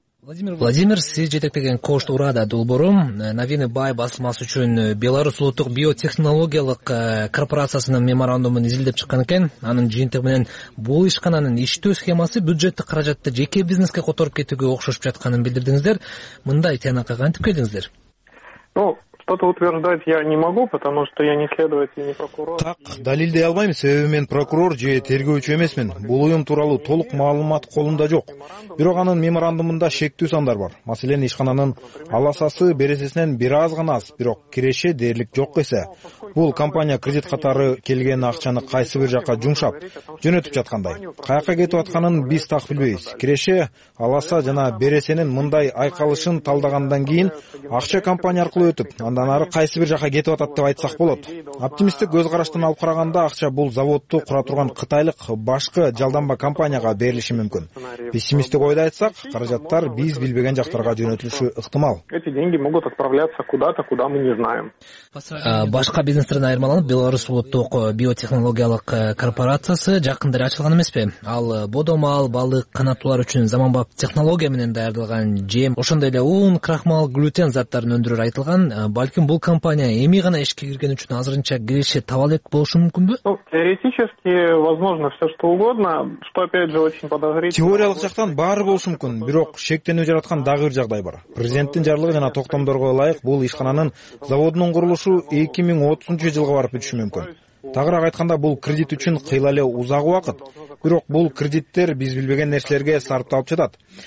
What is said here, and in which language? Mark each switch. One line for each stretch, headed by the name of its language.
Kyrgyz: Владимир, сиз жетектеген Кош Турада долбоору Новины Бай басылмасы үчүн Беларусь улуттук биотехнологиялык корпорациясынын меморандумун изилдеп чыккан экен. Анын жыйынтыгы менен бул ишкананын иштөө схемасы бюджеттик каражатты жеке бизнеске которуп кетүүгө окшошуп жатканын билдирдиңиздер. Мындай тыянакка кантип келдиңиздер?
Russian: Что-то утверждать я не могу, потому что я не следователь, не прокурор.
Kyrgyz: Так, далилдей албайм, себеби мен прокурор же тергөөчү эмесмин. Бул уюм тууралуу толук маалымат колумда жок. Бирок анын меморандумунда шектүү сандар бар. Маселен, ишкананын аласасы березесинен бир аз гана, бирок киреше дээрлик жок эсе. Бул компания кредит катары келген акчаны кайсы бир жака жумшап, жөнөтүп жаткандай. Каяка кетип атканын биз так билбейбиз. Киреше, аласа жана березенин мындай айкалышын талдагандан кийин акча компания аркылуу өтүп, андан ары кайсы бир жака кетип атат деп айтсак болот. Оптимисттик көз караштан алып караганда акча бул заводду кура турган кытайлык башкы жалданма компанияга берилиши мүмкүн. Пессимисттик ойдо айтсак, каражаттар биз билбеген жактарга жөнөтүлүшү ыктымал.
Russian: Эти деньги могут отправляться куда-то, куда мы не знаем.
Kyrgyz: Башка бизнестерден айырмаланып, Беларусь улуттук биотехнологиялык корпорациясы жакындары ачылган эмеспи? Ал бодомал, балык, канаттуулар үчүн заманбап технология менен даярдалган жем, ошондой эле ун, крахмал, глютен заттарын өндүрөр айтылган. Балким бул компания эми гана ишке кирген үчүн азырынча киреше таба элек болушу мүмкүнбү?
Russian: Теоретически возможно все что угодно, что опять же очень подозрительно.
Kyrgyz: Теориялык жактан баары болушу мүмкүн, бирок шектенүү жараткан дагы бир жагдай бар. Президенттин жарлыгы жана токтомдорго ылайык бул ишкананын заводунун курулушу 2030 жылга барып бүтүшү мүмкүн. Тагыраак айтканда бул кредит үчүн кыйла эле узак убакыт, бирок бул кредиттер биз билбеген нерселерге сарпталып жатат.